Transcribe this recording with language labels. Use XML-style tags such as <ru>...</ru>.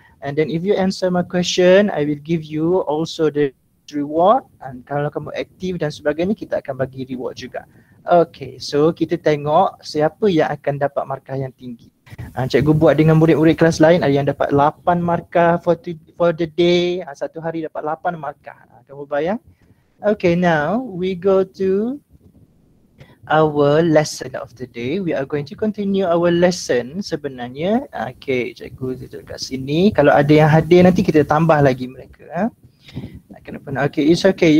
<en>And then if you answer my question, I will give you also the reward.</en> <ms>And kalau kamu aktif dan sebagainya, kita akan bagi reward juga. Okay, so kita tengok siapa yang akan dapat markah yang tinggi. Cikgu buat dengan murid-murid kelas lain, ada yang dapat 8 markah</ms> <en>for the day.</en> <ms>Satu hari dapat 8 markah. Kamu bayang?</ms> <en>Okay, now we go to our lesson of the day. We are going to continue our lesson</en> <ms>sebenarnya. Okay, cikgu duduk kat sini. Kalau ada yang hadir nanti kita tambah lagi mereka. Okay,</ms> <en>it's okay.</en>